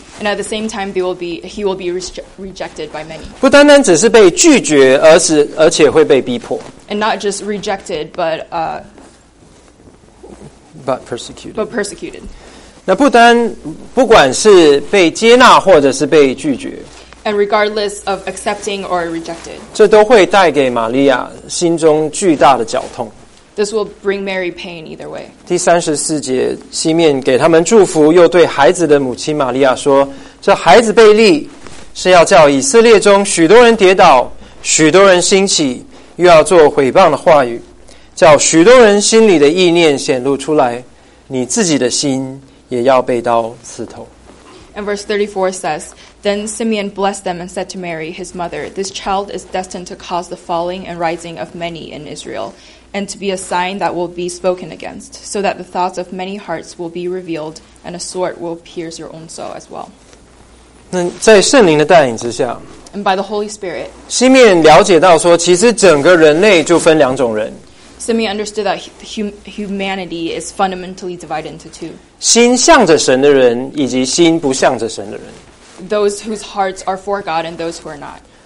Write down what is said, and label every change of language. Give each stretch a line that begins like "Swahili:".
English: And at the same time they will be, he will be rejected by many
Chinese: 不单单只是被拒绝而且会被逼迫
English: And not just rejected but persecuted
Chinese: 那不管是被接纳或者是被拒绝
English: And regardless of accepting or rejected,
Chinese: 这都会带给玛利亚心中巨大的绞痛
English: This will bring Mary pain either way.
Chinese: 第34节, 西面给他们祝福, 又对孩子的母亲玛利亚说, 这孩子被立, 是要叫以色列中许多人跌倒, 许多人兴起, 又要做毁谤的话语, 叫许多人心里的意念显露出来, 你自己的心也要被刀刺透。
English: And verse 34 says, Then Simeon blessed them and said to Mary, his mother, This child is destined to cause the falling and rising of many in Israel, and to be a sign that will be spoken against, so that the thoughts of many hearts will be revealed, and a sword will pierce your own soul as well.
Chinese: 那在圣灵的带领之下,
English: and by the Holy Spirit,
Chinese: 西面了解到说, 其实整个人类就分两种人,
English: Simeon understood that humanity is fundamentally divided into two.
Chinese: 心向着神的人以及心不向着神的人
English: Those whose hearts are for God and those who are not.